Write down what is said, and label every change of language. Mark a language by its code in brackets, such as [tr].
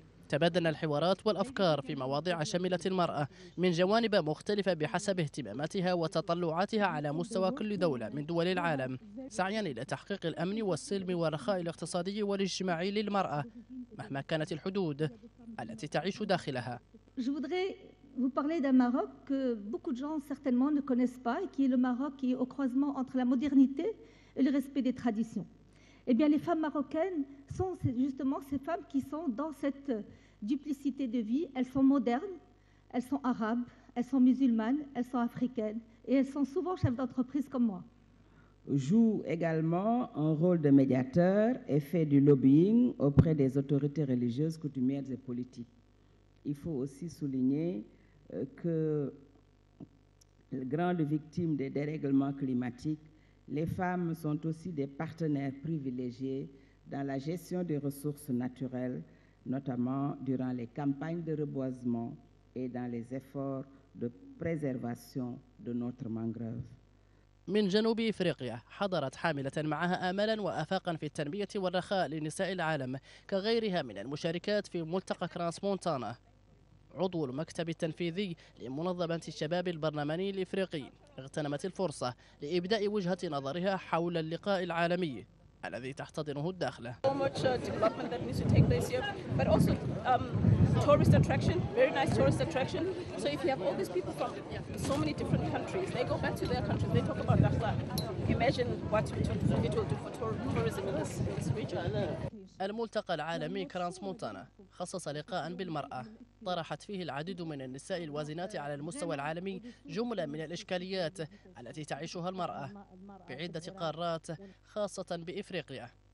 [ar] تبادلنا الحوارات والأفكار في مواضيع شملت المرأة من جوانب مختلفة بحسب اهتماماتها وتطلعاتها على مستوى كل دولة من دول العالم، سعيا إلى تحقيق الأمن والسلم والرخاء الاقتصادي والاجتماعي للمرأة مهما كانت الحدود التي تعيش داخلها. [fr] Vous parlez d'un Maroc que beaucoup de gens certainement ne connaissent pas et qui est le Maroc qui est au croisement entre la modernité et le respect des traditions. Eh bien, les femmes marocaines sont justement ces femmes qui sont dans cette duplicité de vie. Elles sont modernes, elles sont arabes, elles sont musulmanes, elles sont africaines et elles sont souvent chefs d'entreprise comme moi. Joue également un rôle de médiateur et fait du lobbying auprès des autorités religieuses, coutumières et politiques. Il faut aussi souligner que, grandes victimes des dérèglements climatiques, les femmes sont aussi des partenaires privilégiés dans la gestion des ressources naturelles, notamment durant les campagnes de reboisement et dans les efforts de préservation de notre mangrove. [ar] من جنوب إفريقيا حضرت حاملة معها آمالا وآفاقا في التنمية والرخاء لنساء العالم كغيرها من المشاركات في ملتقى كرانس مونتانا. عضو المكتب التنفيذي لمنظمة الشباب البرلماني الإفريقي اغتنمت الفرصة لإبداء وجهة نظرها حول اللقاء العالمي الذي تحتضنه الداخلة. [en] Tourist attraction, very nice tourist attraction. So if you have all these people from so many different countries, they go back to their countries, they talk about Dakhla. Imagine what it will do for tourism in this region. [ar] الملتقى العالمي كرانس مونتانا خصص لقاء بالمرأة طرحت فيه العديد من النساء الوازنات على المستوى العالمي جملة من الإشكاليات التي تعيشها المرأة في عدة قارات خاصة بإفريقيا.